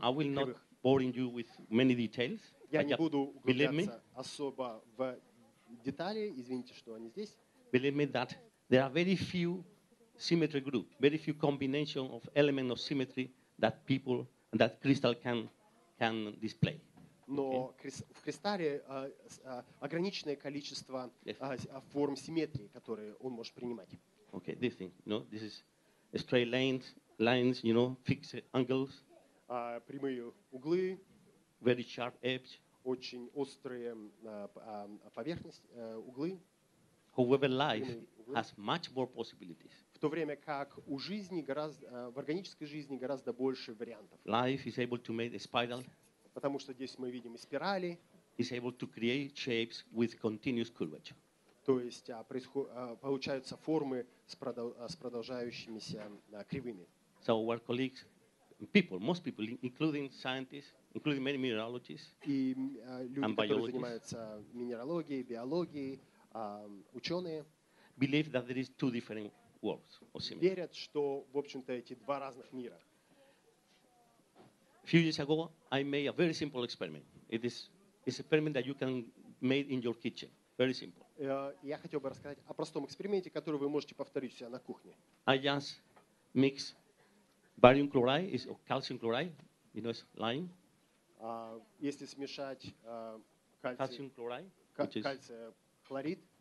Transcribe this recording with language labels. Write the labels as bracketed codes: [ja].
[en] I will not bore you with many details. [ru] Я не буду углубляться особо в детали, извините, что они здесь. [en] Believe me that there are very few symmetry group, very few combination of elements of symmetry that people that crystal can display. [ru] Но в кристалле ограниченное количество форм симметрии, которые он может принимать. [en] Okay, this thing, you know, this is straight lines, you know, fixed angles. [ru] Прямые углы. [en] Very sharp edge. [ru] Очень острые поверхность углы. [en] However, life has much more possibilities. [ru] В то время как у жизни в органической жизни гораздо больше вариантов. [en] Life is able to make a spiral. [ru] Потому что здесь мы видим и спирали. [en] Is able to create shapes with continuous curvature. [ru] То есть получаются формы с продолжающимися кривыми. [en] So our colleagues, people, most people, including scientists. Including many mineralogists [ru] и люди, [en] and biologists, [ru] которые занимаются минералогией, биологией, ученые, [en] believe that there is two different worlds of symmetry. [ru] Верят, что в общем-то эти два разных мира. [en] A few years ago, I made a very simple experiment. It's an experiment that you can make in your kitchen. Very simple. [ru] Я хотел бы рассказать о простом эксперименте, который вы можете повторить у себя на кухне. [en] I just mix barium chloride, is calcium chloride, you know, it's lime. [ru] Если смешать кальций хлорид